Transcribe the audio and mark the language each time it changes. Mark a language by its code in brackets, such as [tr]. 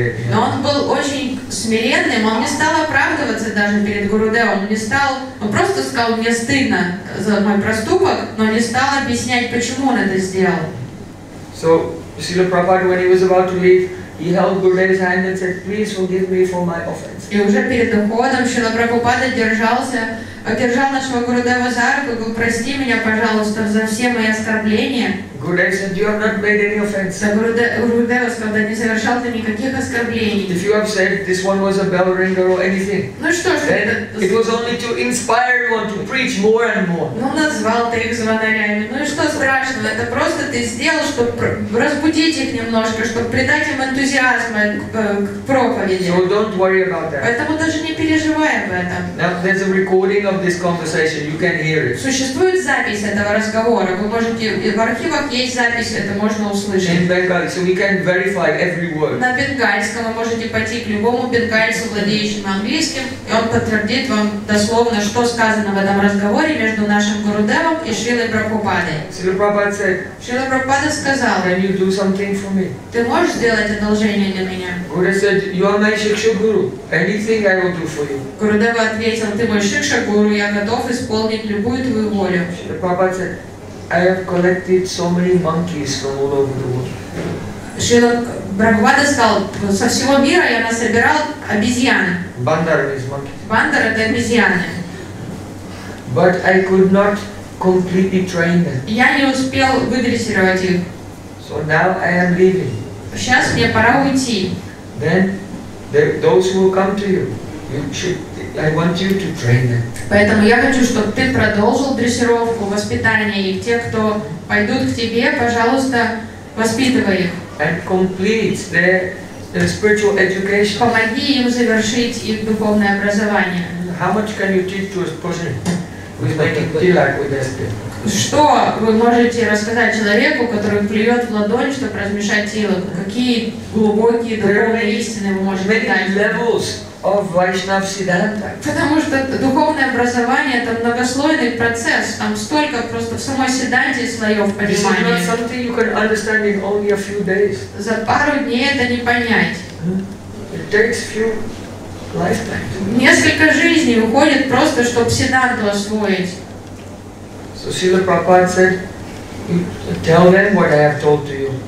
[ru] Но он был очень смиренным, он не стал оправдываться даже перед Гурудевом, не стал, он просто сказал, мне стыдно за мой проступок, но не стал объяснять, почему он это сделал. [en] So, Srila Prabhupada, when he was about to leave, he held Gurudev's hand and said, please forgive me for my offense. [ru] И уже перед уходом Шрила Прабхупада держался, одержал нашего Гурудева за руку и говорил, прости меня, пожалуйста, за все мои оскорбления. [en] Gurudev said, you have not made any offense. [ru] Да, Гурудева сказал, не совершал ты никаких оскорблений. [en] If you have said this one was a bell ringer or anything, [ru] ну что ж, [en] it was only to inspire everyone to preach more and more. [ru] Ну назвал ты их звонарями. Ну и что страшного, это просто ты сделал, чтобы разбудить их немножко, чтобы придать им энтузиазма к проповеди. [en] So don't worry about that. [ru] Поэтому даже не переживай об этом. [en] Now there's a recording of this conversation, you can hear it. [ru] Существует запись этого разговора, вы можете в архиве есть запись, это можно услышать. [en] Bengali, so we can verify every word. [ru] На бенгальском вы можете пойти к любому бенгальцу, владеющему английским, и он подтвердит вам дословно, что сказано в этом разговоре между нашим Гурудевом и Шрилой Прабхупадой. Шрила Прабхупада сказал, [en] can you do something for me? [ru] Ты можешь сделать одолжение для меня? [en] Gurudev said, you are my Shikshaguru. Anything I will do for you. [ru] Гурудева ответил, ты мой Шикшагуру, я готов исполнить любую твою волю. [en] Шрила Прабхупада said, I have collected so many monkeys from all over the world. [ru] Шрила Прабхупада сказал, со всего мира я насобирал обезьяны. [en] Бандар is monkey. [ru] Бандар это обезьяны. [en] But I could not completely train them. [ru] Я не успел выдрессировать их. [en] So now I am leaving. [ru] Сейчас мне пора уйти. [en] Then those who come to you, you should. I want you to train them. [ru] Поэтому я хочу, чтобы ты продолжил дрессировку, воспитание их. Те, кто пойдут к тебе, пожалуйста, воспитывай их. [en] And complete their spiritual education. [ru] Помоги им завершить их духовное образование. [en] How much can you teach to a person who's making tilak with their spirit? [ru] Что вы можете рассказать человеку, который плюет в ладонь, чтобы размешать тилак? Какие глубокие духовные истины вы можете дать? [en] Of Vaishnava Siddhanta. [ru] Потому что духовное образование это многослойный процесс, там столько просто в самой Сиддханте слоев понимания. [en] This is not something you can understand in only a few days. [ru] За пару дней это не понять. [en] It takes few lifetimes. [ru] Несколько жизней уходит просто, чтобы Сиддханту освоить. [en] So Srila Prabhupada said, tell them what I have told to you.